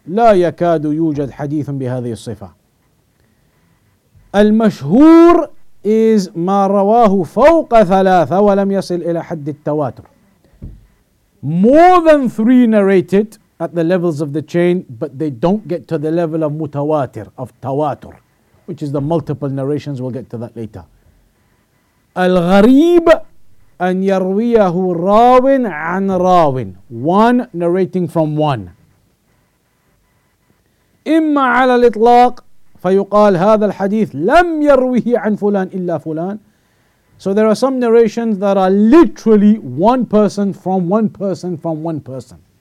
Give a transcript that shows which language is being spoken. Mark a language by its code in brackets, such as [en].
[ar] لا يكاد يوجد حديث بهذه الصفة. المشهور is ما رواه فوق ثلاثة ولم يصل إلى حد التواتر. [en] More than three narrated at the levels of the chain, but they don't get to the level of متواتر, of تواتر, which is the multiple narrations. We'll get to that later. [ar] الغريب أن يرويه راو عن راو, [en] one narrating from one. [ar] إما على الإطلاق فيقال هذا الحديث لم يرويه عن فلان إلا فلان. [en] So there are some narrations that are literally one person from one person from one person.